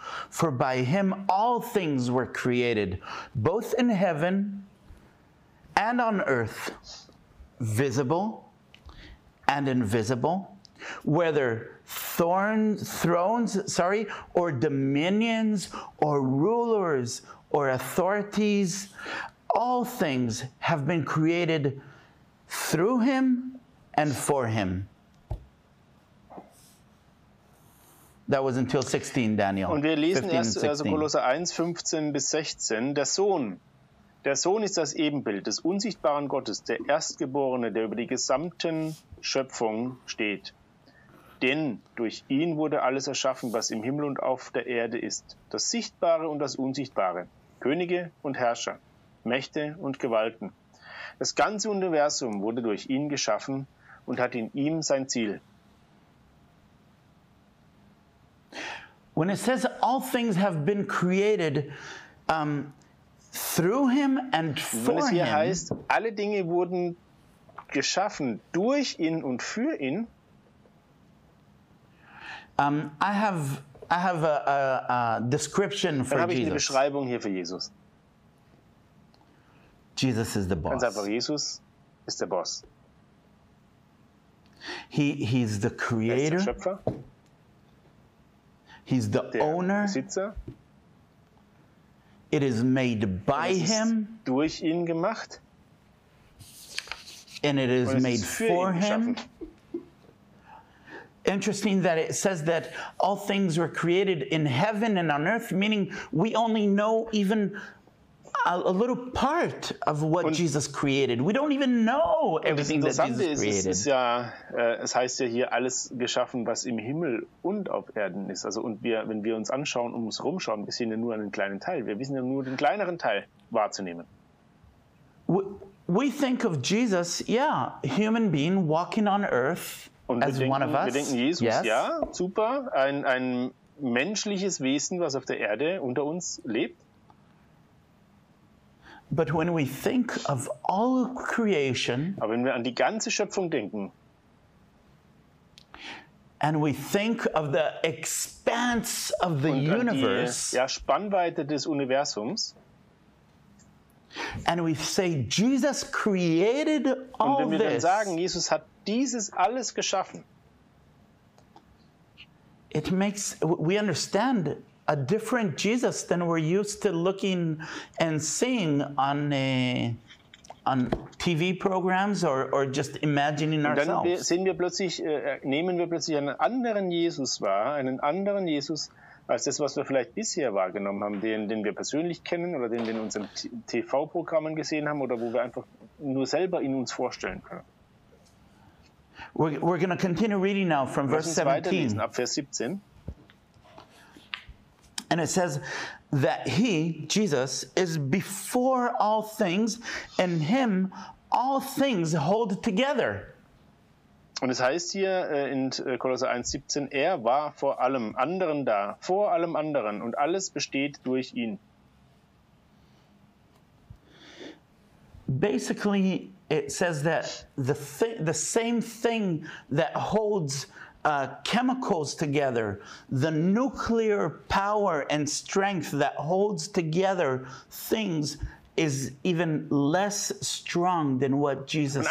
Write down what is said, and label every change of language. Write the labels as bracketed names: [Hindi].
[English] For by him all things were created, both in heaven and on earth, visible and invisible, whether thrones, or dominions or rulers or authorities, all things have been created through him and for him. That was until 16, Daniel. [German] Und wir lesen 15, erst also Kolosser 1, 15 bis 16. Der Sohn. Der Sohn ist das Ebenbild des unsichtbaren Gottes, der Erstgeborene, der über die gesamten Schöpfung steht. Denn durch ihn wurde alles erschaffen, was im Himmel und auf der Erde ist. Das Sichtbare und das Unsichtbare. Könige und Herrscher. Mächte und Gewalten. Das ganze Universum wurde durch ihn geschaffen und hat in ihm sein Ziel. [English] When it says all things have been created through him and for him. [German] Wenn es hier heißt, alle Dinge wurden geschaffen durch ihn und für ihn. [English] I have a description for [German] Dann habe ich eine Beschreibung hier für Jesus. [English] Jesus is the boss. [German] Ganz einfach, Jesus ist der Boss. [English] He's the creator. [German] Er ist der Schöpfer. [English] He's the owner. [German] Besitzer. [English] It is made by him. [German] Durch ihn gemacht. [English] And it is made for him. Interesting that it says that all things were created in heaven and on earth, meaning we only know even a little part of what [German] und [English] Jesus created. We don't even know everything that Jesus created. [German] Es ist ja, es heißt ja hier alles geschaffen, was im Himmel und auf Erden ist. Also und wir, wenn wir uns anschauen, um uns rumschauen, wir sehen ja nur einen kleinen Teil. Wir wissen ja nur den kleineren Teil wahrzunehmen. [English] We think of Jesus, yeah, human being walking on earth [German] und [English] as [German] denken, [English] one of us. [German] Wir denken Jesus, [English] yes. [German] Ja, super, ein menschliches Wesen, was auf der Erde unter uns lebt. [English] But when we think of all creation, [German] aber wenn wir an die ganze Schöpfung denken, [English] and we think of the expanse of the universe, [German] die, ja, Spannweite des Universums, [English] and we say Jesus created all this, [German] und wenn wir dann sagen, Jesus hat dieses alles geschaffen, [English] it makes we understand a different Jesus than we're used to looking and seeing on TV programs or just imagining ourselves. [German] Und dann sehen wir plötzlich, nehmen wir plötzlich einen anderen Jesus wahr, einen anderen Jesus als das, was wir vielleicht bisher wahrgenommen haben, den wir persönlich kennen oder den wir in unseren TV-Programmen gesehen haben oder wo wir einfach nur selber ihn uns vorstellen können. [English] We're going to continue reading now from verse 17. [German] Ab Vers 17. [English] And it says that he, Jesus, is before all things, and him all things hold together. [German] Und es heißt hier in Kolosser 1,17, er war vor allem anderen da, vor allem anderen, und alles besteht durch ihn. [English] Basically, it says that the same thing that holds chemicals together, the nuclear power and strength that holds together things, is even less strong than what Jesus